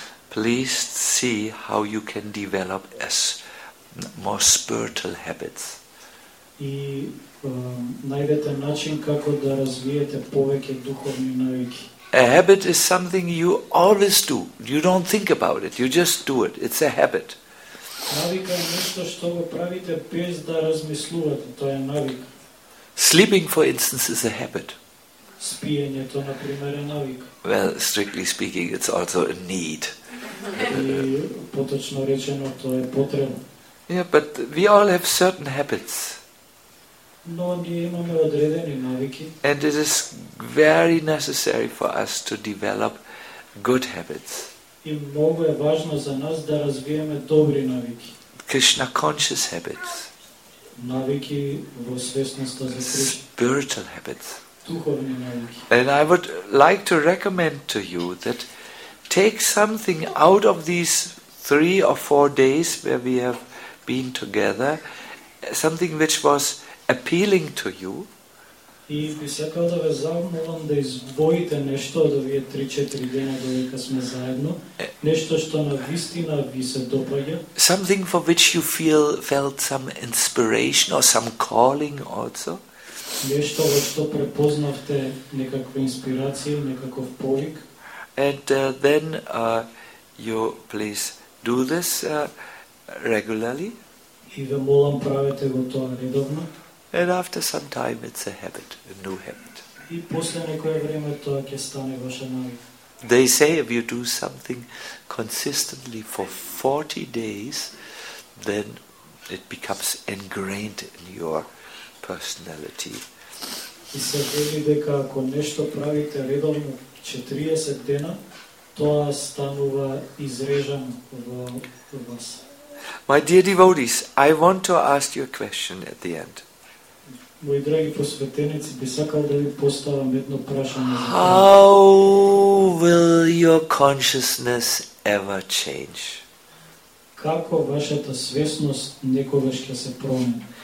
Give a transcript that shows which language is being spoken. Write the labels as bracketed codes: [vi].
[en] Please see how you can develop as more spiritual habits. [mk] И најдете начин како да развиете повеќе духовни навики. [en] A habit is something you always do. You don't think about it. You just do it. It's a habit. [mk] Навика е нешто што го правите без да размислувате. Тоа е навик. [en] Sleeping, for instance, is a habit. [mk] Спиењето, на пример, е навик. [en] Well, strictly speaking, it's also a need. [mk] И поточно речено, тоа е потреба. [en] Yeah, but we all have certain habits. [mk] No, ние имаме одредени навики. [en] And it is very necessary for us to develop good habits. [mk] И многу е важно за нас да развиеме добри навики. [en] Krishna conscious habits. [mk] Навики во свесноста за Кришна. [en] Spiritual habits. [mk] Духовни навики. [en] And I would like to recommend to you that take something out of these 3 or 4 days where we have been together, something which was appealing to you. [mk] И би сакал да ве замолам да избоите нешто од овие 3-4 дена додека сме заедно, нешто што на вистина ви се допаѓа. [en] Something for which you felt some inspiration or some calling also. [mk] Нешто во што препознавте некаква инспирација, некаков полик. [en] And then you please do this regularly. [mk] И ве молам, правете го тоа редовно. [en] And after some time it's a habit, a new habit. [mk] И после некое време тоа ќе стане ваша навика. [en] They say if you do something consistently for 40 days, then it becomes ingrained in your personality. [mk] И се вели дека ако нешто правите редовно 40 дена, тоа станува изрежан во вас. [en] My dear devotees, I want to ask you a question at the end. [mk] Мои драги посветеници, би сакал да ви поставам едно прашање. [en] How will your consciousness ever change? [mk] Како вашата свесност некогаш ќе се промени?